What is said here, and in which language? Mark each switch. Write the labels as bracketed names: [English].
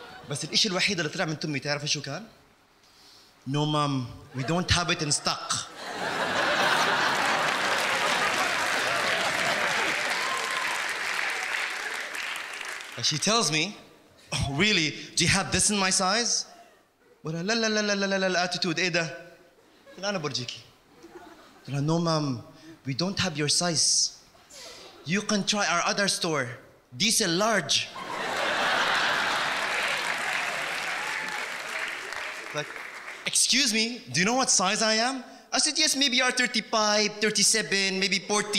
[Arabic] بس الإشي الوحيد اللي طلع من تمي تعرف شو كان؟ [English] No mom, we don't have it in stock. And she tells me, oh, really, do you have this in my size? [Arabic] ولا لا لا لا لا لا لا لا attitude إيه ده؟ قلت أنا برجيكي. قلت لها [English] No mom, we don't have your size. You can try our other store, decent large. Excuse me, do you know what size I am? I said, yes, maybe you're 35, 37, maybe 40.